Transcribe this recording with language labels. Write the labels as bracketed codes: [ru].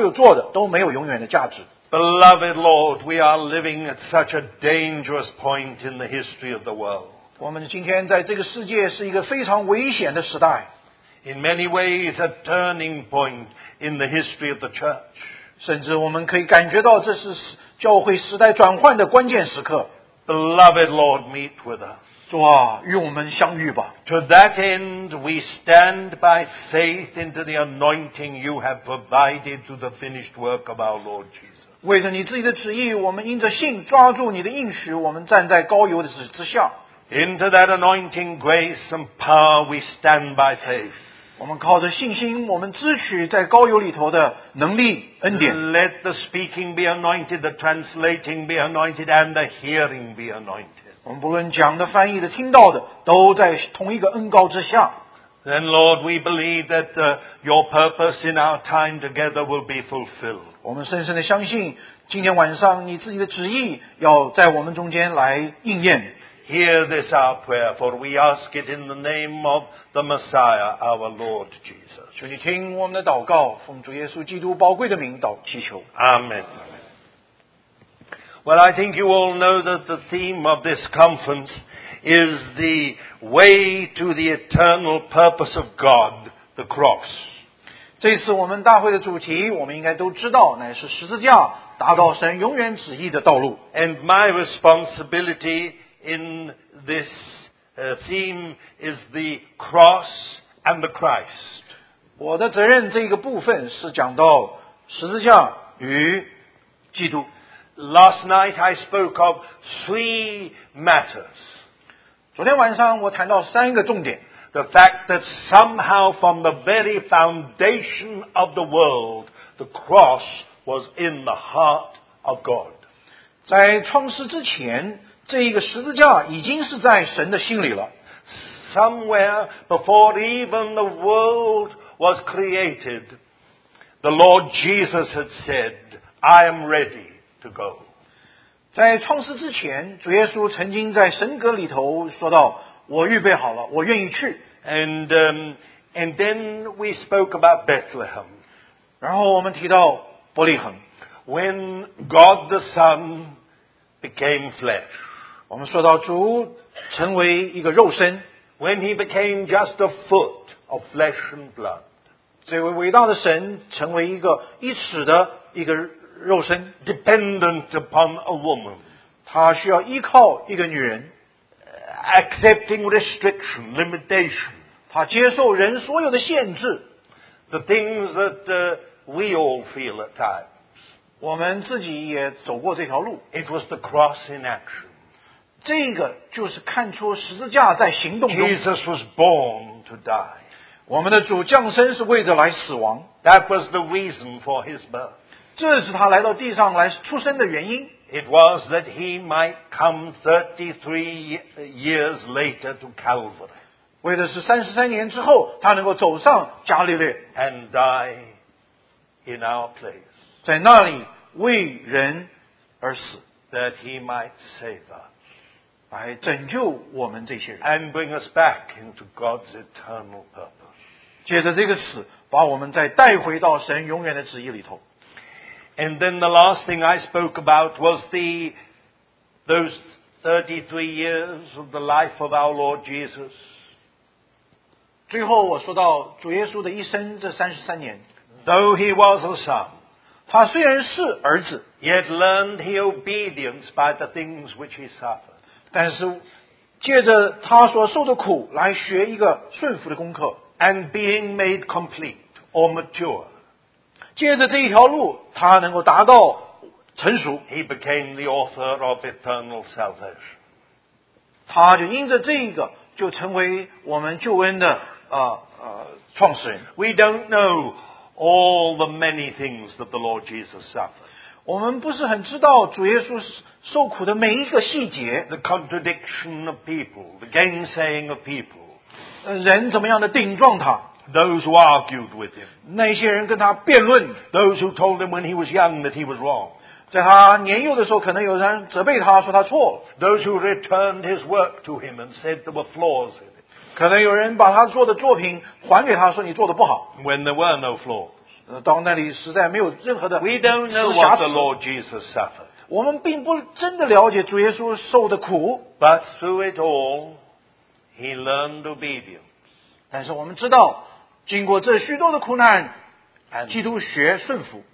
[zh] 我们讲的、翻译的、听的都可以在这里讲道理，但是如果不是主你自己亲自今天晚上在我们中间，我们所有做的都没有永远的价值。 [en] Beloved Lord, we are living at such a dangerous point in the history of the world. [zh] 我们今天在这个世界是一个非常危险的时代。 [en] In many ways, a turning point in the history of the church. [zh] 甚至我们可以感觉到这是教会时代转换的关键时刻。 [en] beloved Lord meet with us. [zh] 主啊，与我们相遇吧。 [en] To that end, we stand by faith into the anointing you have provided through the finished work of our Lord Jesus. [zh] 为着你自己的旨意，我们因着信抓住你的应许，我们站在膏油的之下。 [en] Into that anointing, grace and power, we stand by faith. [zh] 我们靠着信心，我们支取在膏油里头的能力恩典。 [en] Let the speaking be anointed, the translating be anointed, and the hearing be anointed. [zh] 我们不论讲的、翻译的、听到的，都在同一个恩膏之下。 [en] Then, Lord, we believe that your purpose in our time together will be fulfilled. [zh] 我们深深的相信，今天晚上你自己的旨意要在我们中间来应验。 [en] Hear this our prayer, for we ask it in the name of the Messiah, our Lord Jesus. [zh] 求你听我们的祷告，奉主耶稣基督宝贵的名祷祈求。 [en] Amen. Well, I think you all know that the theme of this conference is the way to the eternal purpose of God, the cross. [zh] 这次我们大会的主题，我们应该都知道，乃是十字架，达到神永远旨意的道路。 [en] And my responsibility. In this theme is the cross and the Christ. [zh] 我的责任这个部分是讲到十字架与基督。 [en] Last night I spoke of three matters. [zh] 昨天晚上我谈到三个重点。 [en] The fact that somehow from the very foundation of the world, the cross was in the heart of God. [zh] 在创世之前这一个十字架已经是在神的心里了。 [en] Somewhere before even the world was created, the Lord Jesus had said, I am ready to go. [zh] 在创世之前，主耶稣曾经在神格里头说到，我预备好了，我愿意去。 [en] And then we spoke about Bethlehem. [zh] 然后我们提到伯利恒。 [en] When God the Son became flesh, [zh] 我们说到主成为一个肉身 [en] When he became just a foot of flesh and blood [zh] 这位伟大的神成为一个一尺的一个肉身 [en] Dependent upon a woman [zh] 他需要依靠一个女人 [en] Accepting restriction, limitation [zh] 他接受人所有的限制 [en] The things that we all feel at times [zh] 我们自己也走过这条路 [en] It was the cross in action [zh] 这个就是看出十字架在行动中。 [en] Jesus was born to die. [zh] 我们的主降生是为着来死亡。 [en] That was the reason for his birth. [zh] 这是他来到地上来出生的原因。 [en] It was that he might come 33 years later to Calvary. [zh] 为的是33年之后他能够走上加利略。 [en] And die in our place. [zh] 在那里为人而死。 [en] That he might save us. [zh] 来拯救我们这些人 [en] and bring us back into God's eternal purpose. [zh] 借着这个死把我们再带回到神永远的旨意里头 [en] And then the last thing I spoke about was those 33 years of the life of our Lord Jesus. [zh] 最后我说到主耶稣的一生这33年 [en] Though he was a son, [zh] 他虽然是儿子 [en] yet learned he obedience by the things which he suffered. [zh] 但是借着他所受的苦来学一个顺服的功课 [en] and being made complete or mature [zh] 借着这一条路他能够达到成熟 [en] he became the author of eternal salvation [zh] 他就因着这一个就成为我们救恩的创始人 [en] we don't know all the many things that the Lord Jesus suffered [zh] 我们不是很知道主耶稣受苦的每一个细节 [en] The contradiction of people, the gainsaying of people [zh] 人怎么样的顶撞他 [en] Those who argued with him [zh] 那些人跟他辩论 [en] Those who told him when he was young that he was wrong [zh] 在他年幼的时候可能有人责备他说他错了 [en] Those who returned his work to him and said there were flaws in it [zh] 可能有人把他做的作品还给他说你做的不好 [en] When there were no flaws [zh] 到那里实在没有任何的瑕疵。 [en] We don't know what the Lord Jesus suffered. [zh] 我们并不真的了解主耶稣受的苦。 [en] But through it all, he learned obedience. [zh] 但是我们知道，经过这许多的苦难，基督学顺服。